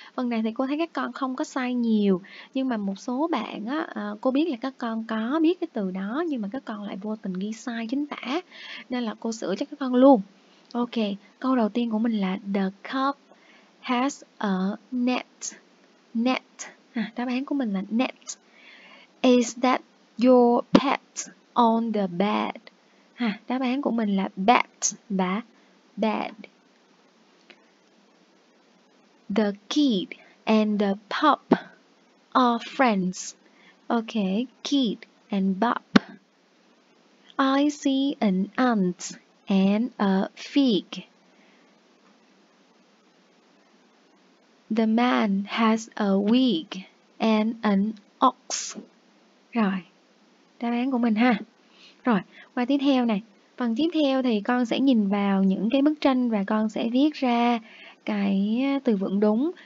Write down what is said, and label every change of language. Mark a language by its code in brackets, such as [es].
[vi] Phần này thì cô thấy các con không có sai nhiều, nhưng mà một số bạn á, cô biết là các con có biết cái từ đó nhưng mà các con lại vô tình ghi sai chính tả, nên là cô sửa cho các con luôn. Ok, câu đầu tiên của mình là [en] The cup has a net. [vi] Net, đáp án của mình là net. [en] Is that your pet on the bed? [vi] Ha, đáp án của mình là bat và bed. [en] The kid and the pup are friends. Ok, kid and pup. I see an ant and a fig. The man has a wig and an ox. [vi] Rồi, đáp án của mình ha. Rồi, qua tiếp theo này. Phần tiếp theo thì con sẽ nhìn vào những cái bức tranh và con sẽ viết ra cái từ vựng đúng.